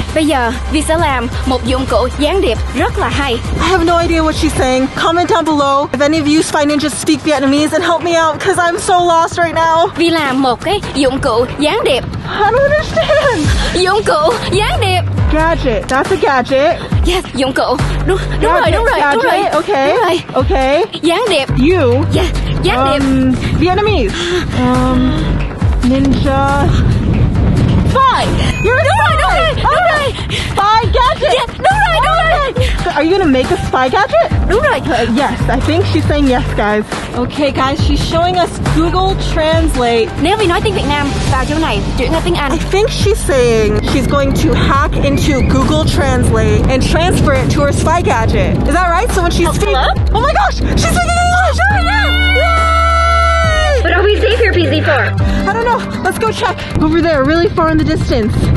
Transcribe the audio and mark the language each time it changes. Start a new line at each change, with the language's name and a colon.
Vietnamese: Bây giờ, V sẽ làm một dụng cụ gián điệp rất là hay.
English: I have no idea what she's saying. Comment down below if any of you spy ninjas speak Vietnamese and help me out because I'm so lost right now.
Vietnamese: V làm một cái dụng cụ gián điệp.
English: I don't understand.
Vietnamese: Dụng cụ gián điệp.
English: Gadget. That's a gadget.
Vietnamese: Yes, dụng cụ. Đúng rồi.
English: Okay.
Vietnamese: Đúng rồi.
English: Okay.
Vietnamese: Gián điệp.
English: You.
Vietnamese: Yeah. Gián điệp.
English: Vietnamese. Ninja. Spy. You're a spy.
Vietnamese: Đúng rồi.
English: Spy gadget.
Vietnamese: Yeah. Đúng rồi.
English: So are you gonna make a spy gadget?
Vietnamese: Đúng rồi.
English: Yes, I think she's saying yes, guys. Okay, guys, she's showing us Google Translate.
Vietnamese: Nếu vì nói tiếng Việt Nam vào chỗ này, chuyển sang tiếng Anh.
English: I think she's saying she's going to hack into Google Translate and transfer it to her spy gadget. Is that right? So when she's speaking... Oh my gosh, she's speaking English! Oh, yeah. Yay! But are we safe here, PZ4? I don't know. Let's go check. Over there, really far in the distance.